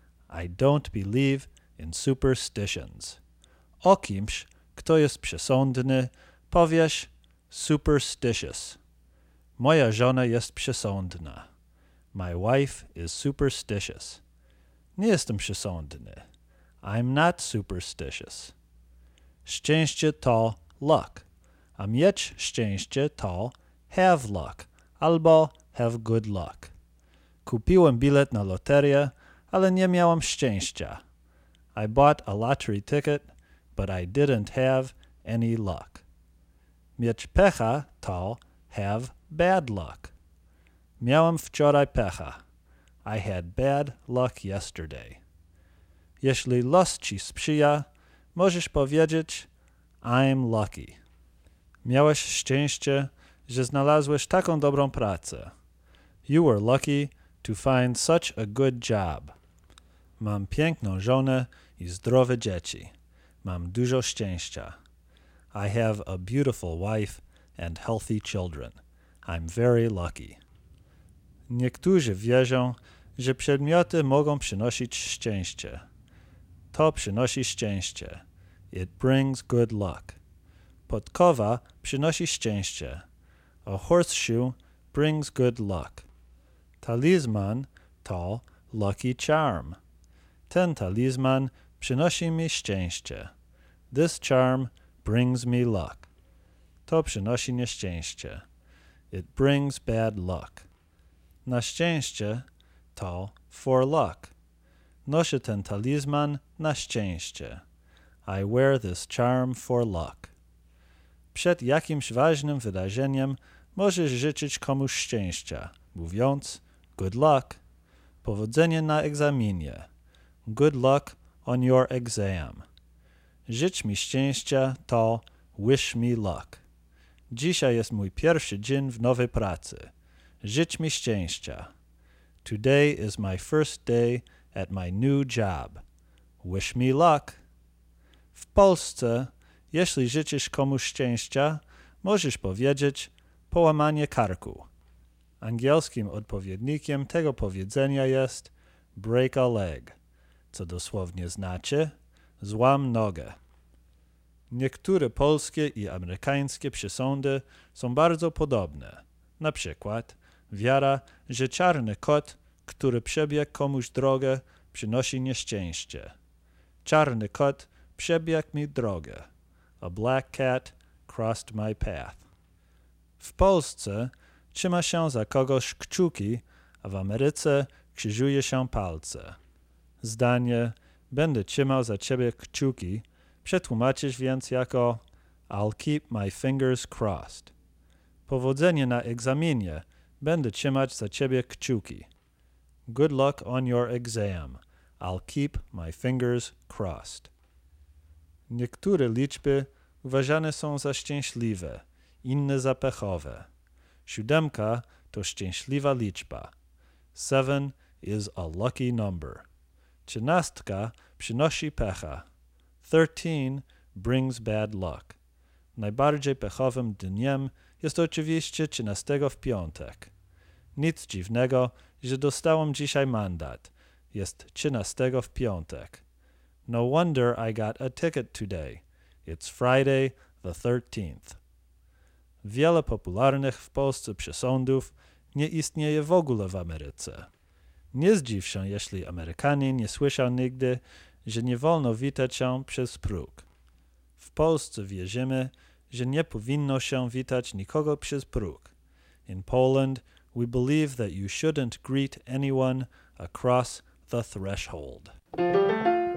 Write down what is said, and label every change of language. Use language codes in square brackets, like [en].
[en] I don't believe in superstitions. [pl] O kimś, kto jest przesądny, powiesz superstitious. Moja żona jest przesądna. [en] My wife is superstitious. [pl] Nie jestem przesądny. [en] I'm not superstitious. [pl] Szczęście to luck. A mieć szczęście to have luck albo have good luck. Kupiłem bilet na loterię, ale nie miałem szczęścia. [en] I bought a lottery ticket, but I didn't have any luck. [pl] Mieć pecha to have bad luck. Miałem wczoraj pecha. [en] I had bad luck yesterday. [pl] Jeśli los ci sprzyja, możesz powiedzieć, [en] I'm lucky. [pl] Miałeś szczęście, że znalazłeś taką dobrą pracę. [en] You were lucky to find such a good job. [pl] Mam piękną żonę i zdrowe dzieci. Mam dużo szczęścia. [en] I have a beautiful wife and healthy children. I'm very lucky. [pl] Niektórzy wierzą, że przedmioty mogą przynosić szczęście. To przynosi szczęście. [en] It brings good luck. [pl] Podkowa przynosi szczęście. [en] A horseshoe brings good luck. [pl] Talizman to lucky charm. Ten talizman przynosi mi szczęście. [en] This charm brings me luck. [pl] To przynosi nieszczęście. [en] It brings bad luck. [pl] Na szczęście to for luck. Noszę ten talizman na szczęście. [en] I wear this charm for luck. [pl] Przed jakimś ważnym wydarzeniem możesz życzyć komuś szczęścia, mówiąc good luck. Powodzenie na egzaminie. [en] Good luck on your exam. [pl] Życz mi szczęścia to wish me luck. Dzisiaj jest mój pierwszy dzień w nowej pracy. Życz mi szczęścia. [en] Today is my first day at my new job. Wish me luck. [pl] W Polsce, jeśli życzysz komuś szczęścia, możesz powiedzieć połamanie karku. Angielskim odpowiednikiem tego powiedzenia jest [en] break a leg, [pl] co dosłownie znaczy złam nogę. Niektóre polskie i amerykańskie przesądy są bardzo podobne. Na przykład wiara, że czarny kot, który przebiegł komuś drogę, przynosi nieszczęście. Czarny kot przebiegł mi drogę. [en] A black cat crossed my path. [pl] W Polsce trzyma się za kogoś kciuki, a w Ameryce krzyżuje się palce. Zdanie będę trzymał za ciebie kciuki przetłumaczysz więc jako [en] I'll keep my fingers crossed. [pl] Powodzenie na egzaminie będę trzymać za ciebie kciuki. [en] Good luck on your exam. I'll keep my fingers crossed. [pl] Niektóre liczby uważane są za szczęśliwe, inne za pechowe. Siódemka to szczęśliwa liczba. [en] 7 is a lucky number. [pl] Trzynastka przynosi pecha. [en] 13 brings bad luck. [pl] Najbardziej pechowym dniem jest oczywiście 13 w piątek. Nic dziwnego, że dostałem dzisiaj mandat. Jest 13 w piątek. [en] No wonder I got a ticket today. It's Friday the 13th. [pl] Wiele popularnych w Polsce przesądów nie istnieje w ogóle w Ameryce. Nie zdziw się, jeśli Amerykanin nie słyszał nigdy, że nie wolno witać się przez próg. W Polsce wierzymy, że nie powinno się witać nikogo przez próg. [en] In Poland, we believe that you shouldn't greet anyone across the threshold.